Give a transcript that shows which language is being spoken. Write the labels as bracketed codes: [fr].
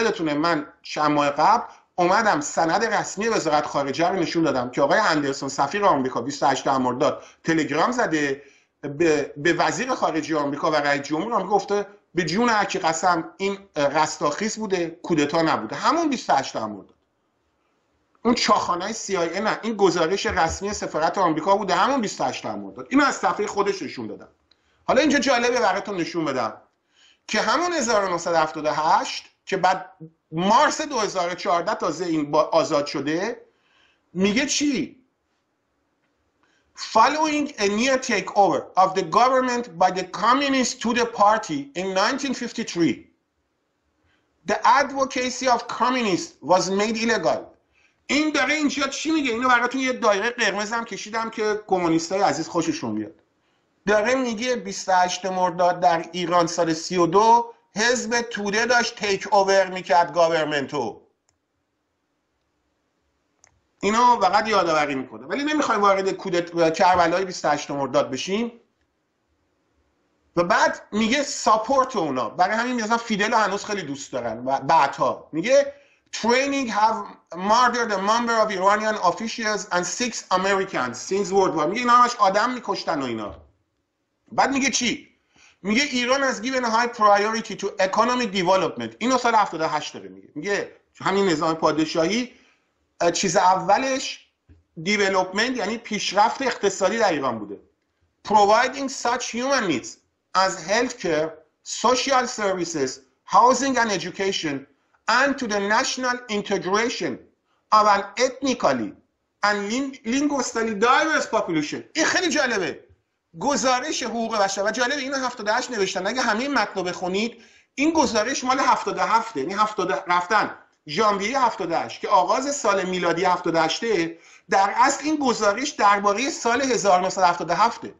[fa] یادتونه من چند ماه قبل اومدم سند رسمی وزارت خارجه رو نشون دادم که آقای اندرسون سفیر آمریکا 28 مرداد تلگرام زده به وزیر خارجه آمریکا و رئیس جمهور آمریکا، گفته به جون هرکی قسم این رستاخیز بوده، کودتا نبوده. همون 28 مرداد، اون چاخانه CIA نه، این گزارش رسمی سفارت آمریکا بوده، همون 28 مرداد. اینو از صفحه خودش نشون دادم. حالا اینجا جالبه براتون نشون بدم که همون 1978 که بعد مارس 2014 تازه این آزاد شده، میگه چی؟ [en] Following a near takeover of the government by the communists to the party in 1953, the advocacy of communists was made illegal. [fa] این داره اینجا چی میگه؟ اینو براتون یه دایره قرمز هم کشیدم که کمونیستای عزیز خوششون بیاد. داره میگه 28 مرداد در ایران سال 32 حزب توده داشت تیک اوور میکرد گاورمنتو. اینو فقط یادآوری میکنه، ولی نمیخوایم وارد کودت کربلای 28 مرداد بشیم. و بعد میگه ساپورت اونا، برای همین میگن فیدل هنوز خیلی دوست دارن. و بعدها میگه [en] training have murdered a number of Iranian officials and six Americans since World War. [fa] میگه اینا همش آدم میکشتن و اینا. بعد میگه چی؟ میگه ایران از [en] given high priority to economic development. [fa] اینو سال 78 داره میگه. میگه همین نظام پادشاهی چیز اولش development یعنی پیشرفت اقتصادی در ایران بوده. [en] Providing such human needs as healthcare, social services, housing and education and to the national integration of an ethnically and linguistically diverse population. [fa] این خیلی جالبه. گزارش حقوق بشر، جالب اینو 78 نوشتن. اگه همین متن رو بخونید، این گزارش مال 77، یعنی 70 رفتن ژانویه 78 که آغاز سال میلادی 78، در اصل این گزارش درباره سال 1977.